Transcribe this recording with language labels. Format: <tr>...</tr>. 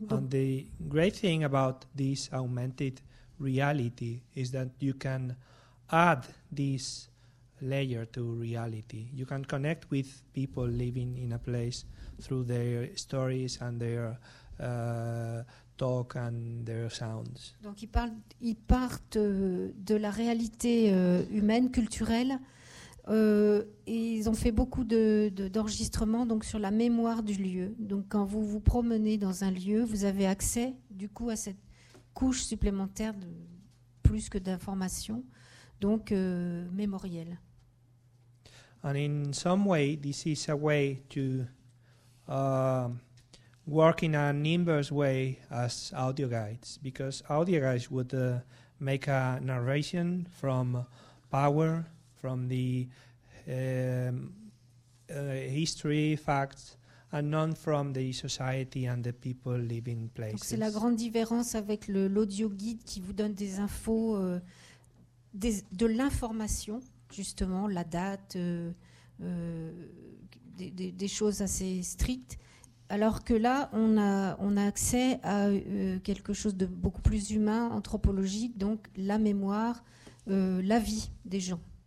<en>And the great thing about this augmented reality is that you can add this layer to reality. You can connect with people living in a place through their stories and their talk and their sounds.</en> <fr>Donc ils partent de la réalité humaine, culturelle, et ils ont fait beaucoup d'enregistrements donc sur la mémoire du lieu. Donc quand vous vous promenez dans un lieu, vous avez accès du coup à cette couche supplémentaire de plus que d'informations, donc mémorielles.</fr> <en>And in some way, this is a way to work in an inverse way as audio guides, because audio guides would make a narration from power, from the history, facts, and not from the society and the people living places.</en> <fr>Donc c'est la grande différence avec l'audio guide qui vous donne des infos, de l'information, justement, la date, des choses assez strictes. Alors que là, on a accès à quelque chose de beaucoup plus humain, anthropologique, donc la mémoire, la vie des gens.</fr>